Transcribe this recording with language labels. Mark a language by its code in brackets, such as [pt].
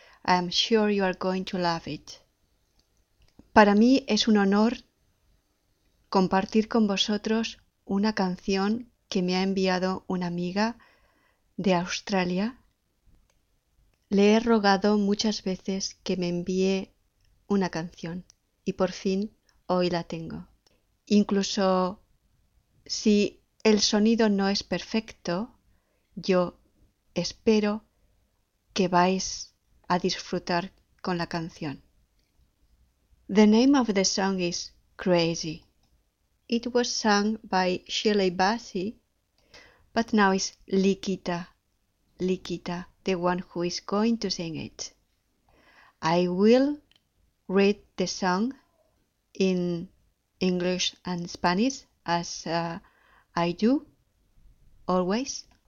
[en] I am sure you are going to love it. [es] Para mí es un honor compartir con vosotros una canción que me ha enviado una amiga de Australia. Le he rogado muchas veces que me envíe una canción y por fin hoy la tengo. Incluso si el sonido no es perfecto, yo espero que vais a disfrutar con la canción. [en] The name of the song is Crazy. It was sung by Shirley Bassey, but now it's Likita, the one who is going to sing it. I will read the song in English and Spanish, as I do, always.